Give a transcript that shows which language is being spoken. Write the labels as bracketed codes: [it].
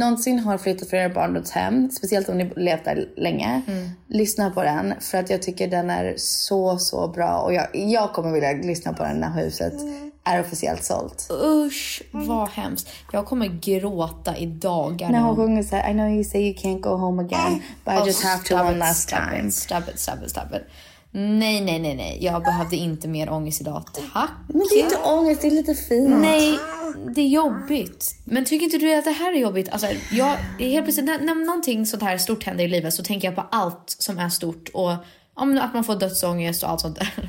[sv] Någonsin har flyttat för era barndoms hem, speciellt om ni levt där länge, lyssna på den. För att jag tycker den är så, så bra. Och jag kommer vilja lyssna på den när huset är officiellt sålt. Usch, vad hemskt. Jag kommer gråta i dagarna. När hon sjunger så här, [en] I know you say you can't go home again, but I just have to one last time. Stop it. [sv] Nej. Jag behövde inte mer ångest idag. Tack. Men det är inte ångest, det är lite fint. Nej, det är jobbigt. Men tycker inte du att det här är jobbigt? Alltså, jag, helt precis, när någonting sånt här stort händer i livet så tänker jag på allt som är stort och om att man får dödsångest och allt sånt där.